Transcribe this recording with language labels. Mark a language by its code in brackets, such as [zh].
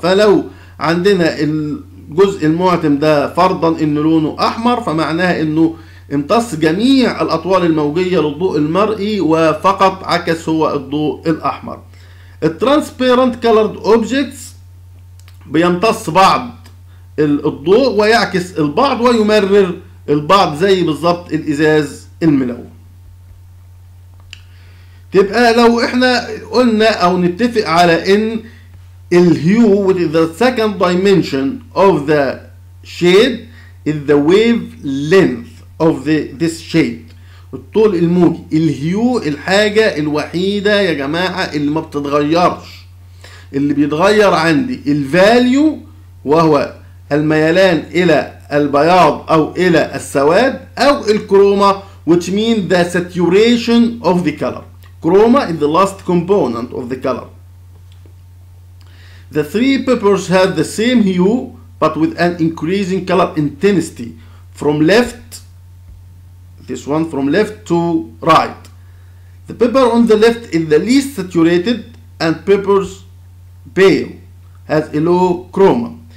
[ar] فلو عندنا الجزء المعتم ده فرضا ان لونه احمر، فمعناها انه امتص جميع الاطوال الموجية للضوء المرئي وفقط عكس هو الضوء الاحمر. [en] الترانسبيرنت كالرد اوبجكتس [ar] بيمتص بعض الضوء ويعكس البعض ويمرر البعض زي بالظبط الازاز الملون. تبقى لو احنا قلنا او نتفق على ان [en] الhue with the second dimension of the shade is the wavelength of this shade، [ar] الطول الموجي. الhue الحاجة الوحيدة يا جماعة اللي ما بتتغيرش، اللي بيتغير عندي الvalue وهو الميلان الى البياض او الى السواد، او الchroma [en] which means the saturation of the color. Chroma is the last component of the color. The three peppers have the same hue but with an increasing color intensity from left, this one from left to right. The pepper on the left is the least saturated and peppers pale, has a low chroma.